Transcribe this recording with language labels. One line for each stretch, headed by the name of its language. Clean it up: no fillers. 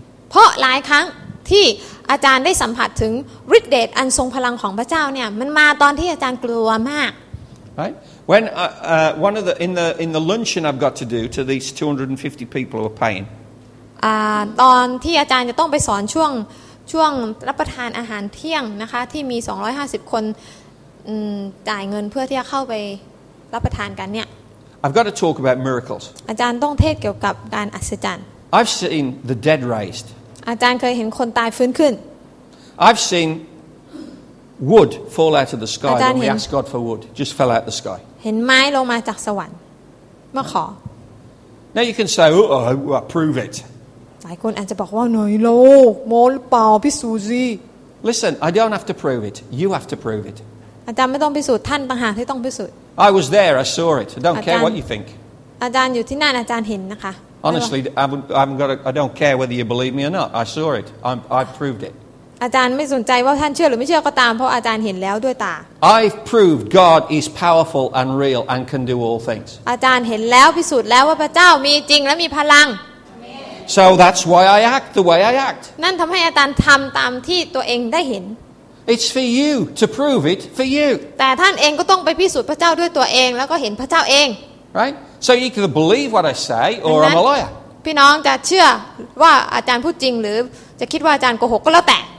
Thai: เพราะหลายครั้งที่อาจารย์ได้สัมผัสถึงฤทธิ์เดชอันทรงพลังของพระเจ้าเนี่ยมันมาตอนที่อาจารย์กลัวมาก
English: Right? When one of the in the luncheon I've got to do to these 250 people who are paying.
Thai: ตอนที่อาจารย์จะต้องไปสอนช่วงรับประทานอาหารเที่ยงนะคะที่มี250คนจ่ายเงินเพื่อที่จะเข้าไปรับประทานกันเนี่ย
English: I've got to talk about miracles.
Thai: อาจารย์ต้องเทศเกี่ยวกับการอัศจรรย์
English: I've seen the dead raised.
Thai: อาจารย์เคยเห็นคนตายฟื้นขึ้น
English: I've seen wood fall out of the sky when we ask God for wood. Just fell out the sky.
Thai: เห็นไม้ลงมาจากสวรรค์มาขอ
English: Now you can say, oh, well, prove it.
Thai: หลายคนอาจจะบอกว่าหน่อยโลมอลเปล่าพิสูจน์สิ
English: Listen, I don't have to prove it. You have to prove it.
Thai: อาจารย์ไม่ต้องพิสูจน์ท่านต่างหากที่ต้องพิสูจน์
English: I was there. I saw it. I don't care what you think.
Thai: อาจารย์อยู่ที่นั่นอาจารย์เห็นนะคะ
English: Honestly, I don't care whether you believe me or not. I saw it. I proved it.
Thai: อาจารย์ไม่สนใจว่าท่านเชื่อหรือไม่เชื่อก็ตามเพราะอาจารย์เห็นแล้วด้วยตา
English: I've proved God is powerful and real and can do all things.
Thai: อาจารย์เห็นแล้วพิสูจน์แล้วว่าพระเจ้ามีจริงและมีพลัง
English: So that's why I act the way I act.
Thai: นั่นทำให้อาจารย์ทำตามที่ตัวเองได้เห็น
English: It's for you to prove it for you.
Thai: แต่ท่านเองก็ต้องไปพิสูจน์พระเจ้าด้วยตัวเองแล้วก็เห็นพระเจ้าเอง
English: Right? So you can believe what I say or I'm a liar.
Thai: พี่น้องจะเชื่อว่าอาจารย์พูดจริงหรือจะคิดว่าอาจารย์โกหกก็แล้วแต่